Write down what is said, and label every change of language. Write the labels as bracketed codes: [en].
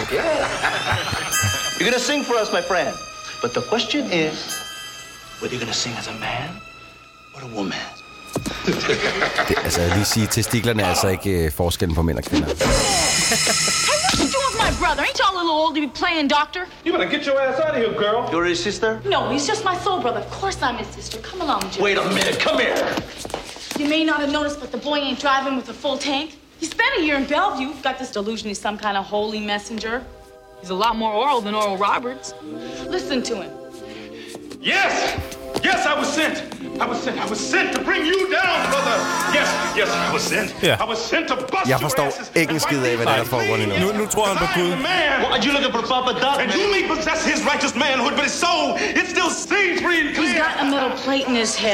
[en] You're gonna sing for us, my friend. But the question is, whether you're gonna sing as a man or a woman. [da] Det, altså, jeg lige sige, testiklerne er altså ikke forskellen på mænd og kvinder. [en] Hey, what you doing with my brother? Ain't y'all a little old to be playing doctor? You better get your ass out of here, girl. You're his sister? No, he's just my soul brother. Of course I'm his sister. Come along, Jim. Wait a minute, come here. You may not have noticed, but the boy ain't driving with a full tank. He spent a year in Bellevue. Got this delusion he's some kind of holy messenger. He's a lot more Oral than Oral Roberts. Listen to him. Yes! Yes, I was sent! I was sent to bring you down, brother! Yes, yes, I was sent! Yeah. I was sent to bust your asses! [da] Jeg forstår ikke en skid af, hvad det er for at runde nu. Nu tror han på Gud. [en] Why are you looking for Papa Doc? And you may possess his righteous manhood, but his soul, it still seems free and clear! He's got a metal plate in his head.